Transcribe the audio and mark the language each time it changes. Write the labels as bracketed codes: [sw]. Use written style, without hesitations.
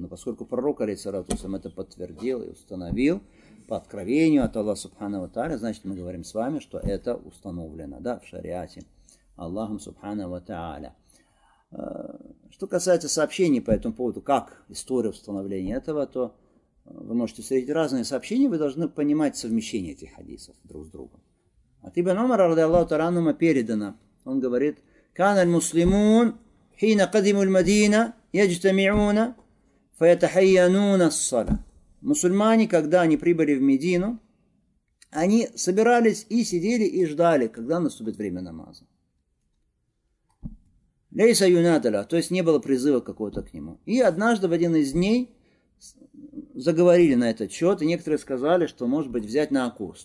[ru] Но поскольку пророк, алейхиссалату вассалям, это подтвердил и установил по откровению от Аллаха субхана ва тааля, значит, мы говорим с вами, что это установлено, да, в шариате Аллахом субхана ва тааля. Что касается сообщений по этому поводу, как история установления этого, то вы можете встретить разные сообщения, вы должны понимать совмещение этих хадисов друг с другом. От Ибн Умара, радиаллаху тааля анхума, передано, он говорит... [ar] كان المسلمون حين قدموا المدينة يجتمعون فيتحينون الصلاة. [ru] Мусульмане, когда они прибыли в Медину, они собирались и сидели и ждали, когда наступит время намаза. [ar] Лейса юнадала, [ru] то есть не было призыва какого-то к нему. И однажды в один из дней заговорили на этот счет, и некоторые сказали, что, может быть, взять накус.